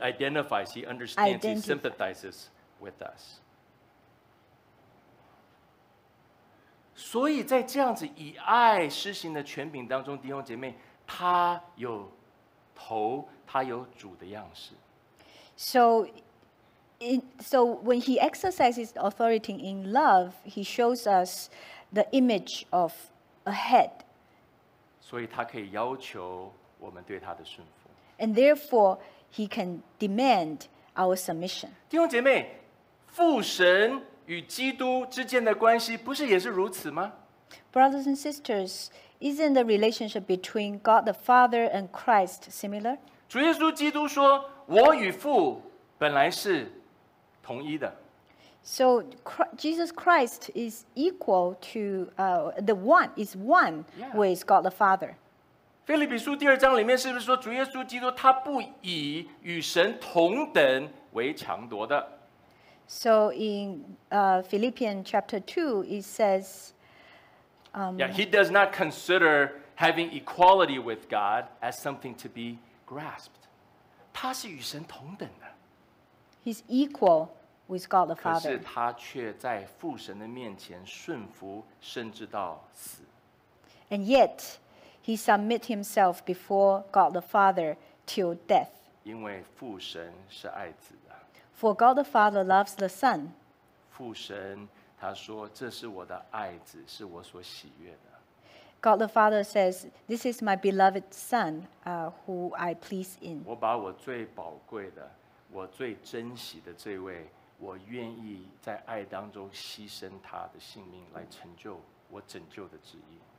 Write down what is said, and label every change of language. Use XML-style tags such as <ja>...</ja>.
<en>identifies, he understands, he sympathizes with us.</en> <zh>所以在这样子以爱施行的权柄当中，弟兄姐妹，他有头，他有主的样式。</zh> <en>So when he exercises authority in love, he shows us the image of a head.</en> <zh>所以他可以要求我们对他的顺服。</zh> <en>And therefore, he can demand our submission.</en> <zh>弟兄姐妹，父神与基督之间的关系不是也是如此吗？</zh> <en>Brothers and sisters, isn't the relationship between God the Father and Christ similar?</en> <zh>主耶稣基督说，我与父本来是同一的。</zh> <en>So Jesus Christ is equal to the one, is one with God the Father.</en> <zh>腓立比书第二章里面是不是说，主耶稣基督他不以与神同等为强夺的？</zh> <en>So in Philippians chapter 2, it says, He does not consider having equality with God as something to be grasped.</en> <zh>他是与神同等的。</zh> <en>He's equal with God the Father.</en> <zh>可是他却在父神的面前顺服，甚至到死。</zh> <en>And yet, he submit himself before God the Father till death.</en> <zh>因为父神是爱子。</zh> <en>For God the Father loves the Son.</en> <zh>父神他说，这是我的爱子，是我所喜悦的。</zh> <en>God the Father says, this is my beloved Son, who I please in.</en> <zh>我把我最宝贵的，我最珍惜的这位，我愿意在爱当中牺牲他的性命来成就我拯救的旨意。</zh>